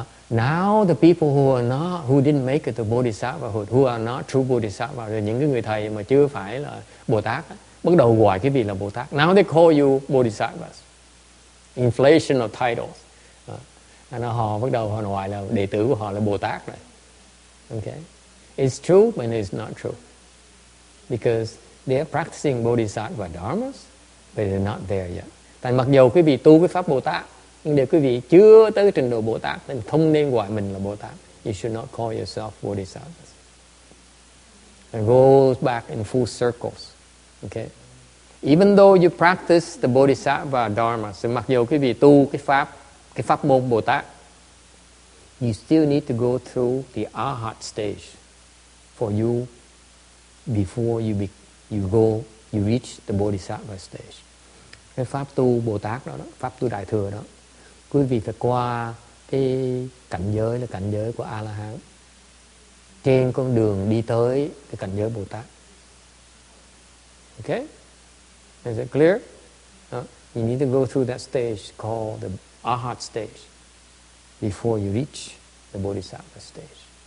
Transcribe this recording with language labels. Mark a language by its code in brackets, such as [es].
[en] Now the people who didn't make it to Bodhisattvahood, who are not true Bodhisattva, [vi] rồi những cái người thầy mà chưa phải là Bồ Tát, bắt đầu gọi cái vị là Bồ Tát. [en] Now they call you Bodhisattvas. Inflation of titles. [vi] Họ bắt đầu họ gọi là đệ tử của họ là Bồ Tát rồi. [en] Okay? It's true, but it's not true. Because they are practicing Bodhisattva Dharmas, but they're not there yet. [vi] Tại mặc dù quý vị tu cái pháp Bồ Tát, nhưng nếu quý vị chưa tới trình độ Bồ Tát, thì không nên gọi mình là Bồ Tát. [en] You should not call yourself Bodhisattva. It goes back in full circles. Okay? Even though you practice the Bodhisattva Dharmas, [vi] mặc dù quý vị tu cái pháp môn Bồ Tát, [en] you still need to go through the Arhat stage for you before you reach the Bodhisattva stage. [vi] Cái pháp tu Bồ Tát đó, pháp tu Đại Thừa đó, quý vị phải qua cái cảnh giới là cảnh giới của A-la-hán trên con đường đi tới cái cảnh giới Bồ Tát. [en] Okay? Is it clear? You need to go through that stage called the Arhat stage before you reach the Bodhisattva stage.